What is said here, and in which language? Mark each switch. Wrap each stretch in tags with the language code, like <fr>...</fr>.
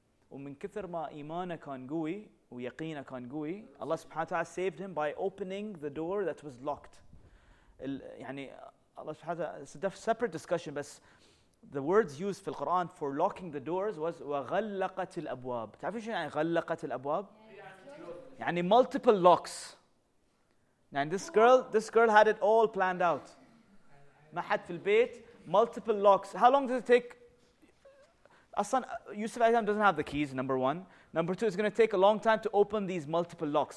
<ar>ومن كثر ما إيمانه كان قوي ويقينه كان قوي, الله سبحانه وتعالى</ar> <en>saved him by opening the door that was locked.</en> <ar>يعني الله سبحانه وتعالى,</ar> <en>it's a separate discussion, but the words used في القرآن for locking the doors was وغلقت الأبواب.</en> <ar>تعرفين شو يعني غلقت الأبواب؟ يعني</ar> <en>multiple locks. And this girl had it all planned out.</en> <ar>ما حد في البيت,</ar> <en>multiple locks. How long does it take? أصلاً يوسف عليه السلام doesn't have the keys, number one. Number two, it's going to take a long time to open these multiple locks.</en>